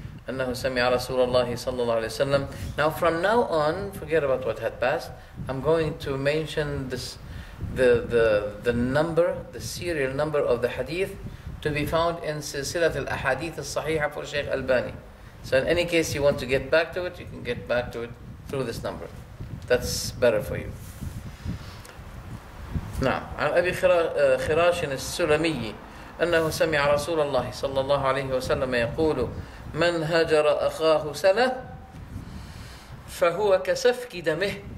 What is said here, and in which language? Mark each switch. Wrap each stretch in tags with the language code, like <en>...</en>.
<ar>أنه سمع رسول الله صلى الله عليه وسلم.</ar> <en>Now from now on, forget about what had passed. I'm going to mention this, the number, the serial number of the hadith, to be found in سلسلة الأحاديث الصحيحة for Sheikh Albani. So in any case, you want to get back to it, you can get back to it through this number. That's better for you.</en> <ar>نعم. عن أبي خراش السلمي أنه سمع رسول الله صلى الله عليه وسلم يقول من هجر أخاه سنة فهو كسفك دمه.</ar>